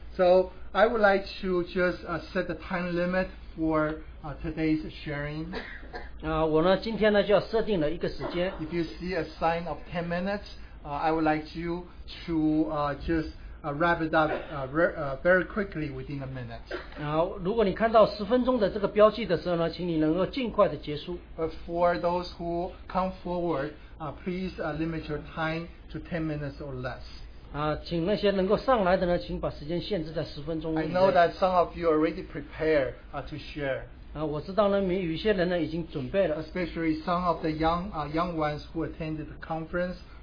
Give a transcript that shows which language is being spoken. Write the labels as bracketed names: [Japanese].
[English] So I would like to just set the time limit for today's sharing. [Chinese] 我呢今天呢就要设定了一个时间 [English] If you see a sign of 10 minutes I would like you to just wrap it up very quickly within a minute. [Chinese] 如果你看到十分钟的这个标记的时候呢，请你能够尽快的结束。 [English] But for those who come forward, please limit your time to 10 minutes or less. [Chinese] 请那些能够上来的呢，请把时间限制在十分钟。 [English] I know that some of you already prepared to share. [Chinese] 我知道呢，有些人呢已经准备了。 [English] Especially some of the young ones who attended the conference.